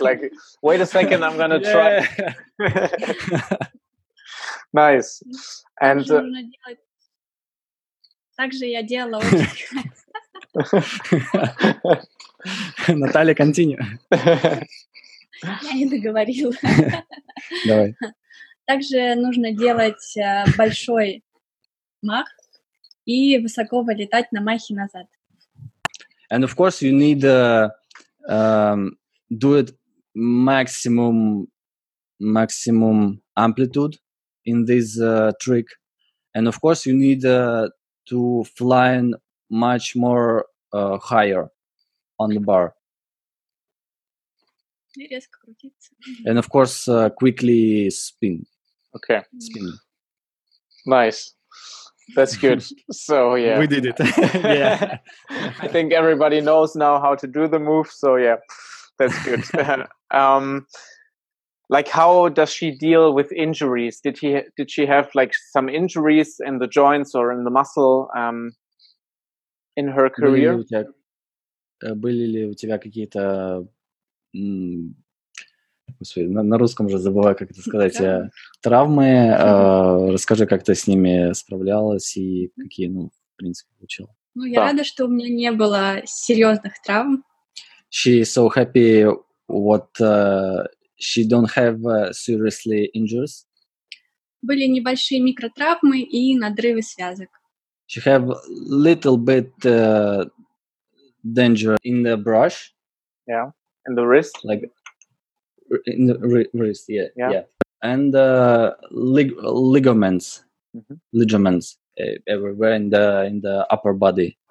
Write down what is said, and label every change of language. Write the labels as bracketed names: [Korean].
[English] Like, wait a second, I'm gonna try. Nice. And [Russian] также я делала очень. [English] Наталья, continue. [Russian] Я не договорила. Давай. Также нужно делать большой мах и высоко вылетать на махе назад. [English] And of course you need do it maximum amplitude in this trick. And of course you need to fly much more higher on the bar. [Russian] И резко крутиться. [English] And of course, quickly spin. Okay. Spin. Nice. That's good. So, yeah. We did it. Yeah. I think everybody knows now how to do the move. So, yeah, that's good. Like, how does she deal with injuries? Did she have, like, some injuries in the joints or in the muscle in her career? [Russian] Были ли у тебя какие-то... Господи, на русском же забываю, как это сказать. Травмы. Расскажи, как ты с ними справлялась и какие, ну, в принципе, получила. Ну, я рада, что у меня не было серьезных травм. [English] She's so happy what... She don't have seriously injuries. Были небольшие микротравмы и надрывы связок. She have little bit danger in the brush. Yeah, in the wrist. Like in the wrist, yeah. And ligaments, mm-hmm. ligaments everywhere in the upper body.